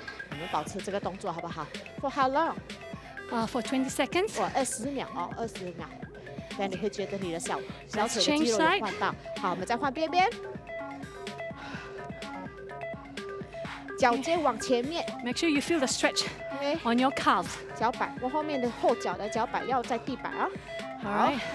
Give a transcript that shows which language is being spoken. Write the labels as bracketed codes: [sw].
[zh] 我们保持这个动作好不好？ [en] For how long? For 20 seconds. [zh] 20秒哦，20秒。那你会觉得你的小腿的肌肉有晃荡。好，我们再换边边。脚尖往前面。 [en] Make sure you feel the stretch on your calves. [zh] 脚板，我后面的后脚的脚板要在地板啊。好。